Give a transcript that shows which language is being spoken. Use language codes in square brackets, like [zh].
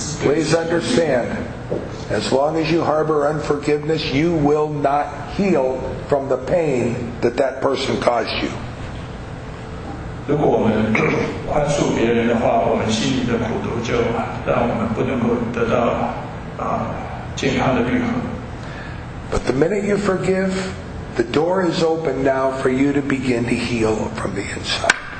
[en] Please understand, as long as you harbor unforgiveness, you will not heal from the pain that that person caused you. [zh] 如果我们宽恕别人的话，我们心里的苦毒就让我们不能够得到健康的愈合。 [en] But the minute you forgive, the door is open now for you to begin to heal from the inside.